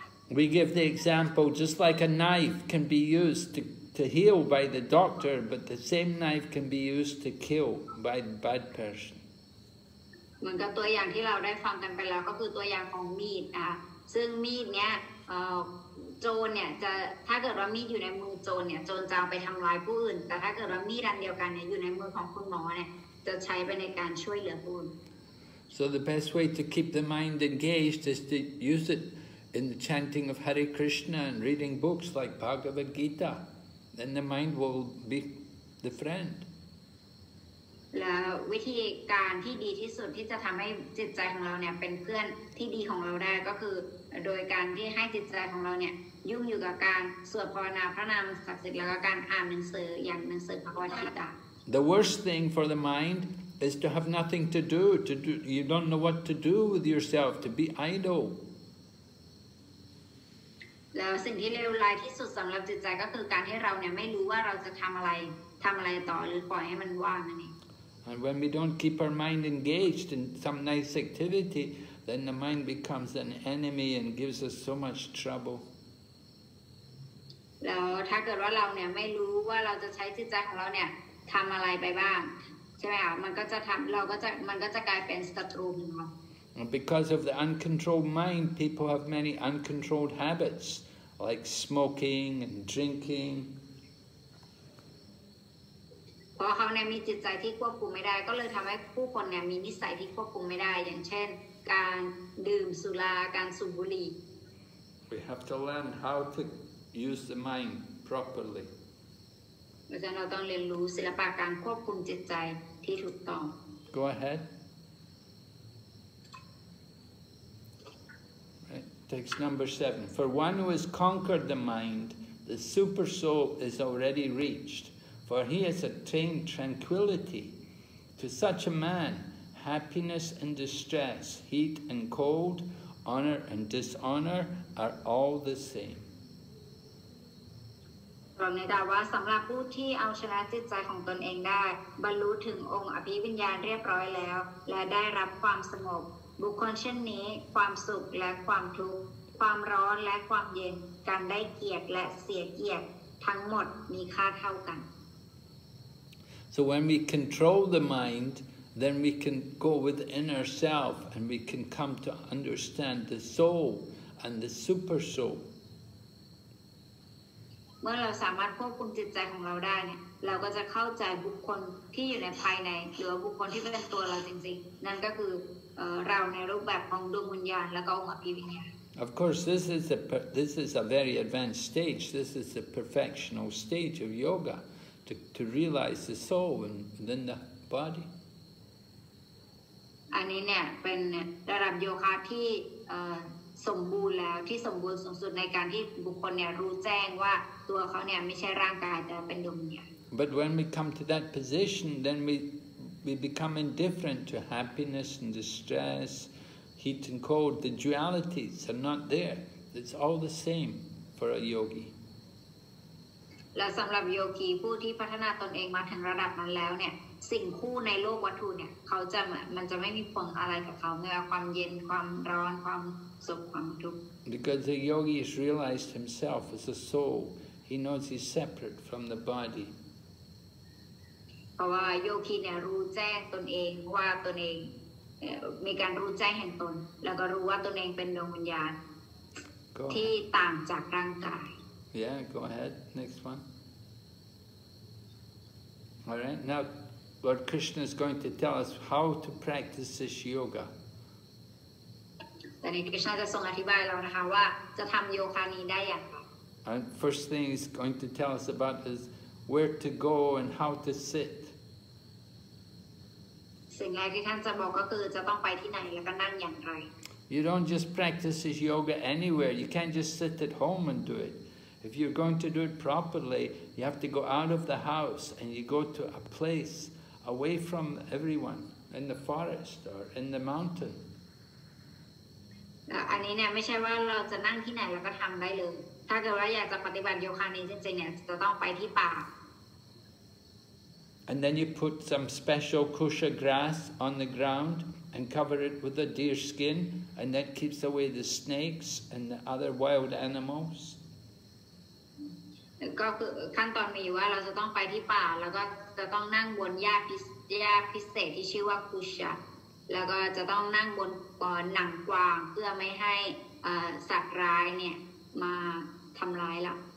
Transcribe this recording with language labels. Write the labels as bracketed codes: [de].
[en] We give the example, just like a knife can be used to heal by the doctor, but the same knife can be used to kill by the bad person. [th] เหมือนกับตัวอย่างที่เราได้ฟังกันไปแล้วก็คือตัวอย่างของมีดนะซึ่งมีดเนี่ยโจรเนี่ยจะถ้าเกิดว่ามีดอยู่ในมือโจรเนี่ยโจรจะเอาไปทำร้ายผู้อื่นแต่ถ้าเกิดว่ามีดอันเดียวกันเนี่ยอยู่ในมือของคุณหมอเนี่ยจะใช้ไปในการช่วยเหลือผู้อื่น [en] So the best way to keep the mind engaged is to use it in the chanting of Hare Krishna and reading books like Bhagavad Gita. Then the mind will be the friend. [th] และวิธีการที่ดีที่สุดที่จะทำให้จิตใจของเราเนี่ยเป็นเพื่อนที่ดีของเราได้ก็คือโดยการที่ให้จิตใจของเราเนี่ยยุ่งอยู่กับการสวดภาวนาพระนามศักดิ์สิทธิ์แล้วก็การอ่านหนังสืออย่างหนังสือพระวจนะ [en] The worst thing for the mind is to have nothing to do. To do, you don't know what to do with yourself. To be idle. [th] แล้วสิ่งที่เลวร้ายที่สุดสำหรับจิตใจก็คือการที่เราเนี่ยไม่รู้ว่าเราจะทำอะไรต่อหรือปล่อยให้มันว่างนั่นเอง [en] And when we don't keep our mind engaged in some nice activity. Then the mind becomes an enemy and gives us so much trouble. [th] แล้วถ้าเกิดว่าเราเนี่ยไม่รู้ว่าเราจะใช้จิตใจของเราเนี่ยทำอะไรไปบ้างใช่ไหมคะมันก็จะทำเราก็จะมันก็จะกลายเป็นศัตรูของเรา [en] Because of the uncontrolled mind, people have many uncontrolled habits like smoking and drinking. [th] เพราะเขาเนี่ยมีจิตใจที่ควบคุมไม่ได้ก็เลยทำให้ผู้คนเนี่ยมีนิสัยที่ควบคุมไม่ได้อย่างเช่นการดื่มสุราการสูบบุหรี่ [en] We have to learn how to use the mind properly [th] เราจะเราต้องเรียนรู้ศิลปะการควบคุมจิตใจที่ถูกต้อง [en] Go ahead right. Text number 7 For one who has conquered the mind the super soul is already reached for he has attained tranquility For such a man, happiness and distress, heat and cold, honor and dishonor are all the same. [th] เราในดาว่าสำหรับผู้ที่เอาชนะจิตใจของตนเองได้บรรลุถึงองค์อภิวิญญาณเรียบร้อยแล้วและได้รับความสงบบุคคลเช่นนี้ความสุขและความทุกข์ความร้อนและความเย็นการได้เกียรติและเสียเกียรติทั้งหมดมีค่าเท่ากัน [en] So when we control the mind then we can go within ourselves and we can come to understand the soul and the super soul [th] เมื่อเราสามารถควบคุมจิตใจของเราได้เนี่ยเราก็จะเข้าใจบุคคลที่อยู่ในภายในหรือบุคคลที่เป็นตัวเราจริงๆนั่นก็คือเราในรูปแบบของดวงวิญญาณและก็องค์อภิวิญญาณ [en] Of course this is a very advanced stage this is a perfectional stage of yoga to realize the soul and then the body [th] อันนี้เนี่ยเป็นระดับโยคะที่สมบูรณ์แล้วที่สมบูรณ์สูงสุดในการที่บุคคลเนี่ยรู้แจ้งว่าตัวเขาเนี่ยไม่ใช่ร่างกายแต่เป็นดวงวิญญาณ [en] But when we come to that position then we become indifferent to happiness and distress heat and cold the dualities are not there it's all the same for a yogi [th] และสำหรับโยคีผู้ที่พัฒนาตนเองมาถึงระดับนั้นแล้วเนี่ยสิ่งคู่ในโลกวัตถุเนี่ยเขาจะมันจะไม่มีผลอะไรกับเขาเลยความเย็นความร้อนความสุขความทุกข์ [en] Because the yogi has realized himself as a soulHe knows he's separate from the body. [th] เพราะว่าโยคีเนี่ยรู้แจ้งตนเองว่าตนเองมีการรู้แจ้งแห่งตนแล้วก็รู้ว่าตนเองเป็นดวงวิญญาณที่ต่างจากร่างกาย [en] Yeah, go ahead. Next one. All right. Now, Lord Krishna is going to tell us how to practice this yoga. [th] ตอนนี้ Krishna จะทรงอธิบายเรานะคะว่าจะทำโยคะนี้ได้อย่าง [en] And first thing he's going to tell us about is where to go and how to sit. You don't just practice this yoga anywhere. You can't just sit at home and do it. If you're going to do it properly, you have to go out of the house and you go to a place away from everyone, in the forest or in the mountain. [th] อันนี้เนี่ยไม่ใช่ว่าเราจะนั่งที่ไหนแล้วก็ทำได้เลยถ้าเกิดว่าอยากจะปฏิบัติโยคะนี้จริงๆเนี่ยจะต้องไปที่ป่า [en] And then you put some special kusha grass on the ground and cover it with a deer skin and that keeps away the snakes and the other wild animals [th] ก็คือขั้นตอนมีว่าเราจะต้องไปที่ป่าแล้วก็จะต้องนั่งบนหญ้าพิเศษที่ชื่อว่าคุชะแล้วก็จะต้องนั่งบนหนังกวางเพื่อไม่ให้สัตว์ร้ายเนี่ยมาทำร้ายเรา